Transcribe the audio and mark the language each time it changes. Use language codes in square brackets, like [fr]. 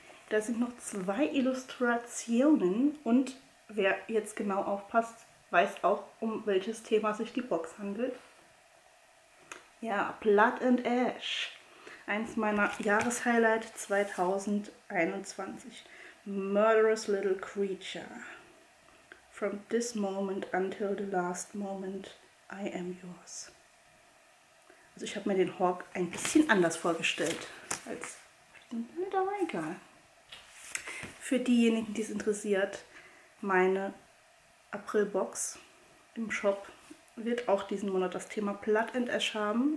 [de] Da sind noch zwei Illustrationen und wer jetzt genau aufpasst, weiß auch, um welches Thema sich die Box handelt. Ja, Blood and Ash. Eins meiner Jahreshighlight 2021. [en] Murderous little creature. From this moment until the last moment, I am yours. [de] Also ich habe mir den Hawk ein bisschen anders vorgestellt. Als aber egal. Für diejenigen, die es interessiert, meine April-Box im Shop wird auch diesen Monat das Thema Blood and Ash haben.